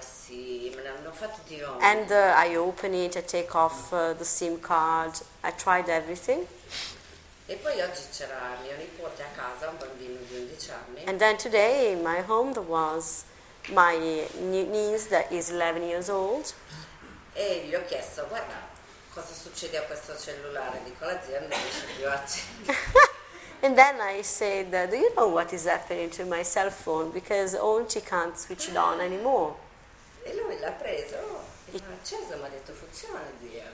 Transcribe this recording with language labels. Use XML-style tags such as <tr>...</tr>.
<en>And I open it, I take off the SIM card, I tried everything.</en> <it>E poi oggi c'era mio nipote a casa, un bambino di 11 anni.</it> <en>And then today in my home there was my niece that is 11 years old.</en> <it>E gli ho chiesto, guarda, cosa succede a questo cellulare? Dico, la zia non riesce più a accendere.</it> <en>And then I said, do you know what is happening to my cell phone? Because auntie can't switch it on anymore.</en> <it>E lui l'ha preso, l'ha acceso, mi ha detto, funziona zia.</it>